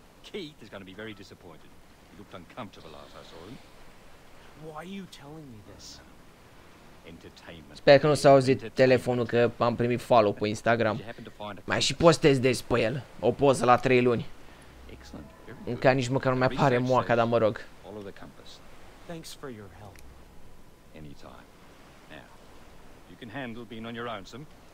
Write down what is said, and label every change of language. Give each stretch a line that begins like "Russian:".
English: Keith is going to be very disappointed. He looked uncomfortable after I saw him. Why are you telling me this? Entertainment.
Romanian: Sper că nu s-a auzit telefonul, că am primit follow pe Instagram. Mai și postez des pe el. O poză la 3 luni. Încă nici măcar nu mai apare moaca, dar mă rog.
English: Thanks for your help. Anytime. Now, you can handle being on your own, Sam.